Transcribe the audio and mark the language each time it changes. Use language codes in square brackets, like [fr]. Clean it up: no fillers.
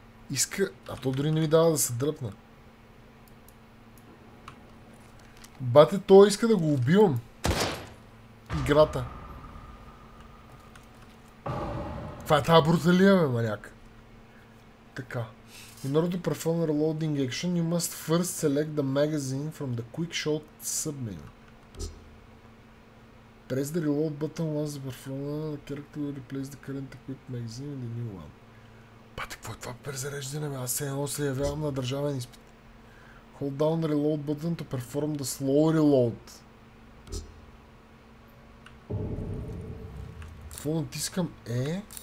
[bg] Иска... А то дори не ми дава да се дръпна. Бате, той иска да го убивам. Играта. Това е тази бруталия, бе, маняк. Така. [en] In order to perform a loading action, you must first select the magazine from the quick shot submenu. Press the reload button once the performer the character will replace the current equipped magazine in the new one. [bg] Бате, какво е това презареждане, бе? Аз се едно се явявам на държавен изпит. [en] Hold down the reload button to perform the slow reload. [bg] Какво натискам е?